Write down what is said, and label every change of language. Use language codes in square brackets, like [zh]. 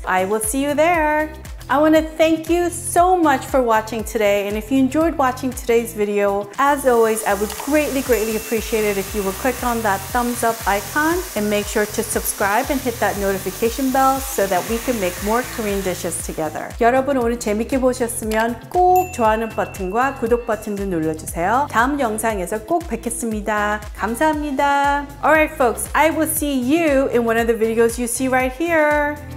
[en] I will see you there. I wanna thank you so much for watching today. And if you enjoyed watching today's video, as always, I would greatly, greatly appreciate it if you would click on that thumbs up icon and make sure to subscribe and hit that notification bell so that we can make more Korean dishes together. [ko] 여러분, 오늘 재밌게 보셨으면 꼭 좋아하는 버튼과 구독 버튼도 눌러주세요. 다음 영상에서 꼭 뵙겠습니다. 감사합니다. [en] All right, folks, I will see you in one of the videos you see right here.